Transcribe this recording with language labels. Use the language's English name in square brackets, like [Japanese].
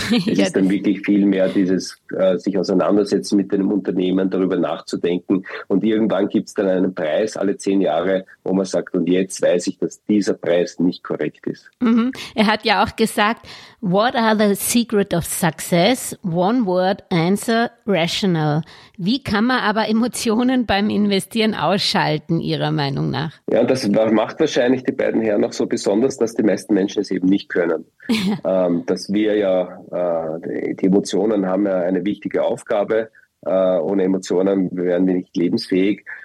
[German] Es ist dann wirklich viel mehr dieses sich auseinandersetzen mit dem Unternehmen, darüber nachzudenken. Und irgendwann gibt es dann einen Preis alle 10 Jahre, wo man sagt, und jetzt weiß ich, dass dieser Preis nicht korrekt ist. Mhm. Er hat ja auch gesagt, [English] what are the secret of success? One word answer, rational. [German] Wie kann man aber Emotionen beim Investieren ausschalten, Ihrer Meinung nach? Ja, das macht wahrscheinlich die beiden Herren noch so besonders. Besonders, dass die meisten Menschen es eben nicht können. Dass wir ja, die Emotionen haben ja eine wichtige Aufgabe. Ohne Emotionen wären wir nicht lebensfähig.